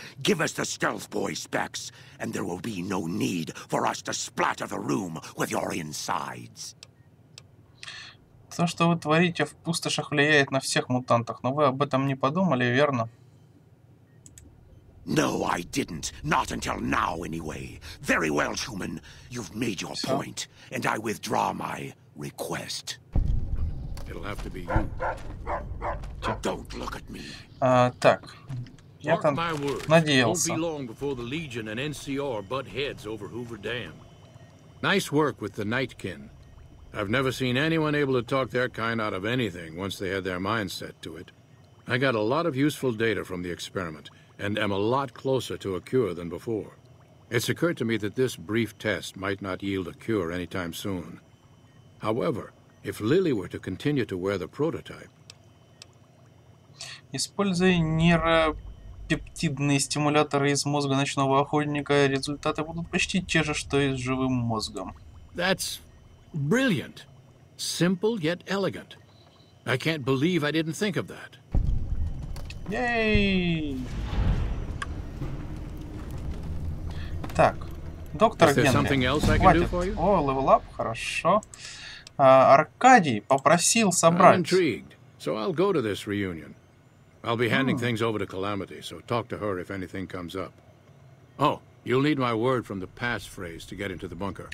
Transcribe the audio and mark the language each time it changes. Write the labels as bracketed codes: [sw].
[en] Give us the stealth boy specs, and there will be no need for us to splatter the room with your insides. [ru] То, что вы творите в пустошах, влияет на всех мутантов, но вы об этом не подумали, верно? [en] No, I didn't. Not until now, anyway. Very well, human. You've made your point, and I withdraw my request. It'll have to be you. Don't look at me. [ru] Так. Я там надеялся. [en] NCR butt heads over Hoover Dam. Nice work with the Nightkin. I've never seen anyone able to talk their kind out of anything once they had their mind set to it. I got a lot of useful data from the experiment, and am a lot closer to a cure than before. It's occurred to me that this brief test might not yield a cure anytime soon. However, if Lily were to continue to wear the prototype... [ru] Используя нейропептидные стимуляторы из мозга ночного охотника, результаты будут почти те же, что и с живым мозгом. [en] That's brilliant. Simple, yet elegant. I can't believe I didn't think of that. Yay! [ru] Так, доктор Генри, хватит. О, левел ап, хорошо. Аркадий попросил собрать. [en] I'm intrigued, so I'll go to this reunion. I'll be handing things over to Calamity, so talk to her if anything comes up. Oh, you'll need my word from the passphrase to get into the bunker.